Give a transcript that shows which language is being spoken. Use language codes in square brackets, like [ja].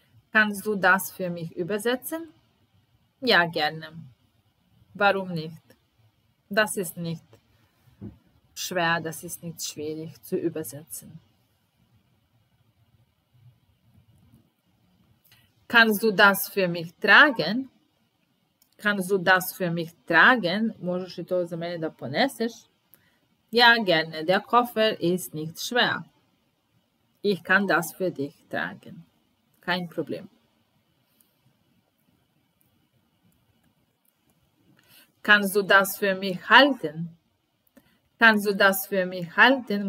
[de] Kannst du das für mich übersetzen? Ja, gerne. Warum nicht? Das ist nicht schwer, das ist nicht schwierig zu übersetzen. Kannst du das für mich tragen? Kannst du das für mich tragen? [sr] Možeš li to za mene da poneseš? [de] Ja, gerne. Der Koffer ist nicht schwer. Ich kann das für dich tragen. Kein Problem. Kannst du das für mich halten? Kannst du das für mich halten?